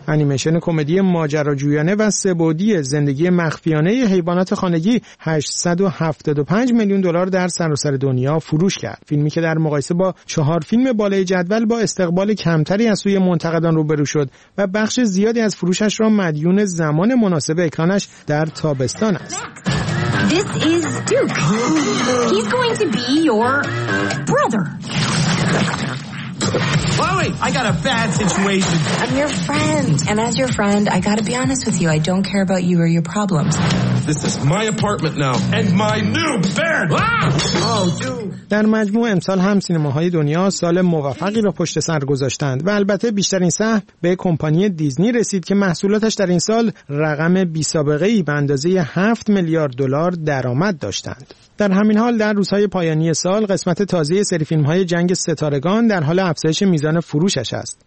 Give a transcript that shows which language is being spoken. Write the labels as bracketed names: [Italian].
[Persian] انیمیشن کمدی ماجراجویانه و سه‌بعدی زندگی مخفیانه حیوانات خانگی 875 میلیون دلار در سراسر دنیا فروش کرد. فیلمی که در مقایسه با 4 فیلم بالای جدول با استقبال کمتری از سوی منتقدان روبرو شد و بخش زیادی از فروشش را مدیون زمان مناسب اکرانش در تابستان است. [English] This is Duke. He's going to be your brother. Chloe, I got a bad situation. I'm your friend, and as your friend, I gotta be honest with you. I don't care about you or your problems. This is my apartment now, and my new bed. Ah! Oh, Duke. [Persian] در مجموع امسال هم سینماهای دنیا سال موفقی را پشت سر گذاشتند و البته بیشترین سهم به کمپانی دیزنی رسید که محصولاتش در این سال رقم بی سابقه ای به اندازه 7 میلیارد دلار درآمد داشتند. در همین حال در روزهای پایانی سال قسمت تازه سری فیلم‌های جنگ ستارگان در حال افزایش میزان فروشش است.